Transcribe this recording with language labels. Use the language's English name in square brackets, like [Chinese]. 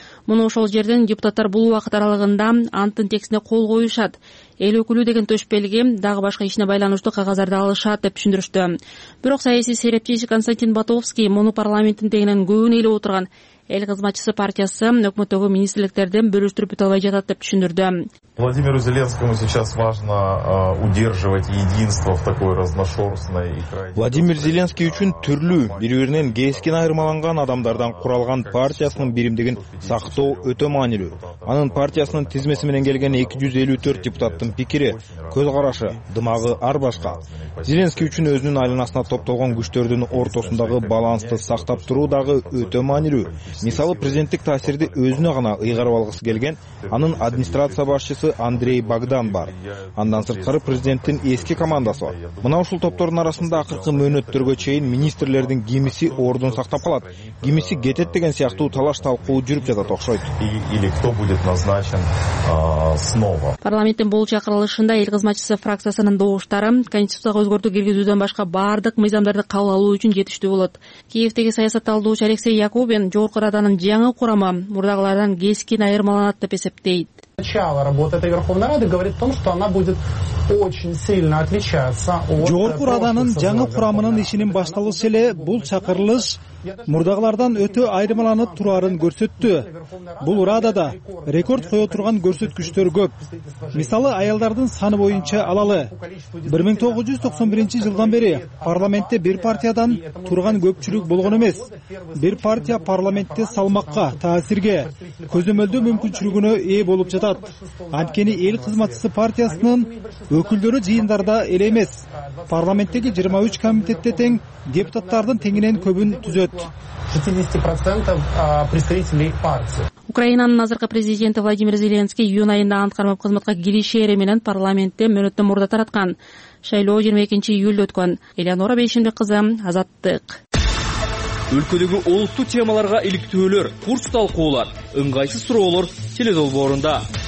[Kyrgyz] Муну ошол жерден депутаттар бул убакыт аралыгында анттын текстине кол коюшат. Эл өкүлү деген төш белги, дагы башка ишине байланыштуу кагаздарды алышат деп түшүндүрүштү. Бирок саясий серепчиси Константин Батовский муну парламенттин тегинен көбүн ээлеп отурган эл кызматчысы партиясы өкмөттөгү министрликтерден бөлүштүрүп бүтө албай жатат деп түшүндүрдү. [Russian] Владимиру Зеленскому сейчас важно удерживать единство в такой разношерстной и крайне. [Kyrgyz] Владимир Зеленский үчүн түрлүү, бири биринен кескин айырмаланган адамдардан куралган партиясынын биримдигин сактоо өтө маанилүү. Анын партиясынын тизмеси менен келген 254 депутаттын пикири, көз карашы, дымагы ар башка. Зеленский үчүн өзүнүн айланасына топтолгон күчтөрдүн ортосундагы балансты сактап туруу дагы өтө маанилүү. Мисалы, президенттик таасирди өзүнө гана ыйгарып алгысы келген анын администрация башчы Андрей Богдан бар. Андан сырткары президенттин эски командасы бар. Мына ушул топтордун арасында акыркы мөөнөттөргө чейин министрлердин кимиси ордун сактап калат, кимиси кетет деген сыяктуу талаш талкуу жүрүп жатат окшойт. [Russian] Или кто будет назначен снова. [Kyrgyz] Парламенттин бул чакырылышында эл кызматчысы фракциясынын добуштары конституцияга өзгөртүү киргизүүдөн башка баардык мыйзамдарды кабыл алуу үчүн жетиштүү болот. Киевдеги саясат талдоочу Алексей Якубин Жогорку Раданын жаңы курамы мурдагылардан кескин айырмаланат деп эсептейт. [Russian] Начало работы этой Верховной Рады говорит о том, что она будет очень сильно отличаться от [Kyrgyz] Жогорку Раданын жаңы курамынын ишинин башталышы эле бул чакырылыш мурдагылардан өтө айырмаланып турарын көрсөттү. Бул Радада рекорд кое турган көрсөткүчтөр көп. Мисалы, аялдардын саны боюнча алалы. 1991 жылдан бери парламентте бир партиядан турган көпчүлүк болгон эмес. Бир партия парламентте салмакка, таасирге, көзөмөлдөө мүмкүнчүлүгүнө ээ болуп жатат. Анткени эл кызматчысы партиясынын өкүлдөрү жыйындарда эле эмес. Парламенттеги 23 комитетте тең депутаттардын теңинен көбүн түзөт. [Russian] 60% представителей партии. [Kyrgyz] Украинанын азыркы президенти Владимир Зеленский июнь айында ант кармап кызматка киришери менен парламентте мөөнөттө мурда тараткан. Шайлоо 22 июлда өткөн. Элеонора Бейшенбек кызы, Азаттык. Өлкөдөгү олуттуу темаларга иликтөөлөр, курс талкуулар, ыңгайсыз суроолор теледолбоорунда.